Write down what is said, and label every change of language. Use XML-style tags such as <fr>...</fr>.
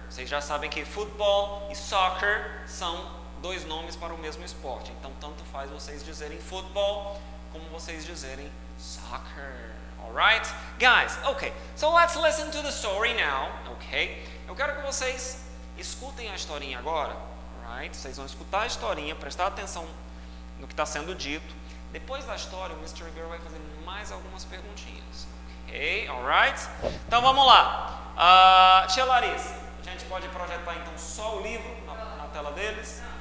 <pt>Vocês já sabem que futebol e soccer são dois nomes para o mesmo esporte. Então, tanto faz vocês dizerem futebol como vocês dizerem soccer,</pt> <en>all right? Guys, okay, so let's listen to the story now, okay?</en> <pt>Eu quero que vocês escutem a historinha agora, right? Vocês vão escutar a historinha, prestar atenção no que está sendo dito. Depois da história, o Mr. Ribeiro vai fazer mais algumas perguntinhas, okay?</pt> <en>All right?</en> <pt>Então, vamos lá. Tia Larissa, a gente pode projetar, então, só o livro na tela deles?</pt>